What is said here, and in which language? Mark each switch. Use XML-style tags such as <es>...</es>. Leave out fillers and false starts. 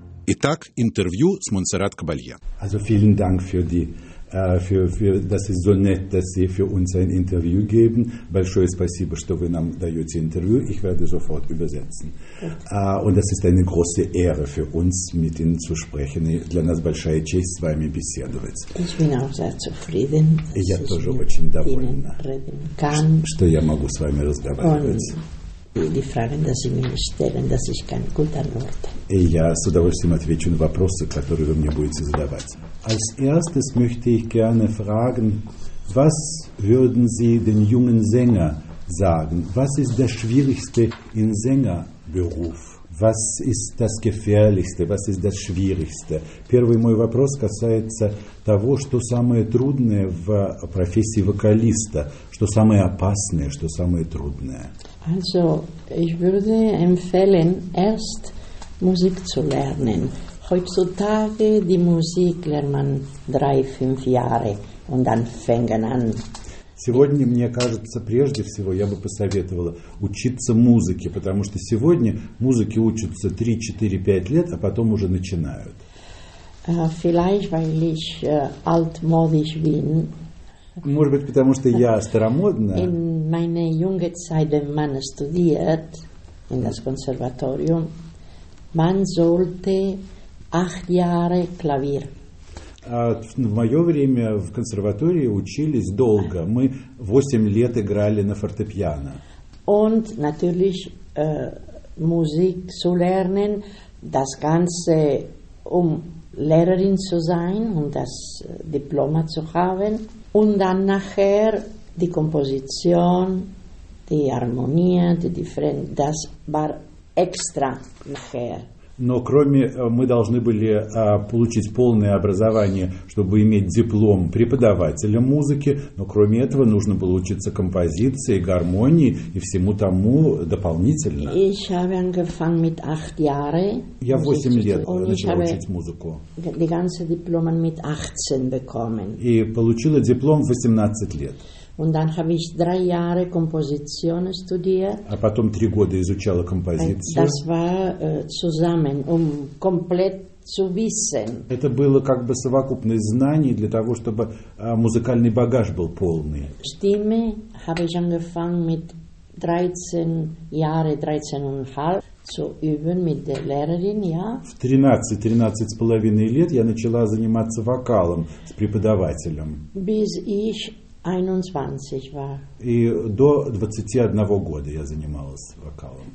<ru>Итак, интервью с Монсеррат Кабалье.</ru> <de>Also vielen Dank für die für dass Sie so nett, dass Sie für uns ein Interview geben.</de> <ru>Большое спасибо, что вы нам даете интервью.</ru> <de>Ich werde sofort übersetzen. Und das ist eine große Ehre für uns, mit Ihnen zu sprechen.</de> <ru>Для нас большая честь с вами беседовать.</ru> <de>Ich bin auch sehr zufrieden.</de> <ru>Я тоже очень доволен, что я могу с вами разговаривать.</ru> <de>Die Fragen, die Sie mir stellen, dass ich kein guter Wort.</de> <ru>Я с удовольствием отвечу на вопросы, которые вы мне будете задавать.</ru> <de>Als erstes möchte ich gerne fragen, was würden Sie den jungen Sänger sagen? Was ist das Schwierigste im Sängerberuf? Was ist das Gefährlichste? Was ist das Schwierigste?</de> <ru>Первый мой вопрос касается того, что самое трудное в профессии вокалиста, что самое опасное, что самое трудное.</ru> <de>Also, ich würde empfehlen, erst Musik zu lernen. Heutzutage, die Musik lernt man 3-5 Jahre und dann fängt an.</de> <ru>Сегодня, мне кажется, прежде всего, я бы посоветовала учиться музыке, потому что сегодня музыке учатся 3-4-5 лет, а потом уже начинают.</ru> <de>Vielleicht, weil ich altmodisch bin.</de> <ru>Может быть, потому что я старомодна.</ru> <de>In meine junge Zeit, wenn man studiert in das Konservatorium, man sollte 8 Jahre Klavier.</de> <ru>В мое время в консерватории учились долго. Мы 8 лет играли на фортепиано.</ru> <de>Und natürlich Musik zu lernen, das Ganze Lehrerin zu sein und das Diploma zu haben und dann nachher die Komposition, die Harmonie, die Differenz, das war extra nachher.</de> <ru>Но кроме, мы должны были получить полное образование, чтобы иметь диплом преподавателя музыки, но кроме этого нужно было учиться композиции, гармонии и всему тому дополнительно.</ru> <de>Ich habe angefangen mit 8 Jahre,</de> <ru>я 8 лет начал учить музыку.</ru> <de>Die ganze Diplomen mit 18 bekommen.</de> <ru>И получила диплом в 18 лет.</ru> <de>Und dann habe ich 3 Jahre Komposition studiert.</de> <ru>А потом 3 года изучала композицию.</ru> <de>Das war zusammen, komplett zu wissen.</de> <ru>Это было как бы совокупность знаний для того, чтобы музыкальный багаж был полный.</ru> <de>Stimme habe ich angefangen mit 13 und</de> <en>a half</en> <de>zu üben mit der Lehrerin, ja.</de> <ru>В 13-13,5 лет я начала заниматься вокалом с преподавателем.</ru> <de>Bis ich 21 war.</de> <ru>И до 21 года я занималась вокалом.</ru>